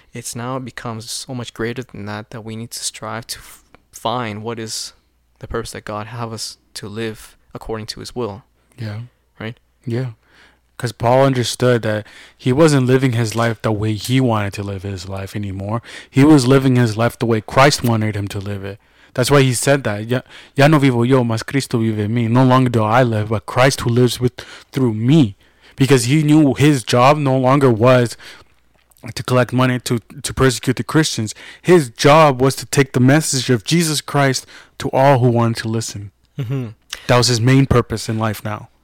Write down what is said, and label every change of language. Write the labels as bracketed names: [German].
[English] It's now becomes so much greater than that, that we need to strive to find what is the purpose that God have us to live according to his will. Yeah. Right? Yeah. Because Paul understood that he wasn't living his life the way he wanted to live his life anymore. He was living his life the way Christ wanted him to live it. That's why he said that. [Spanish] Ya no vivo yo, mas Cristo vive en mí. [English] No longer do I live, but Christ who lives with through me. Because he knew his job no longer was to collect money to persecute the Christians. His job was to take the message of Jesus Christ to all who wanted to listen. Mm-hmm. That was his main purpose in life now.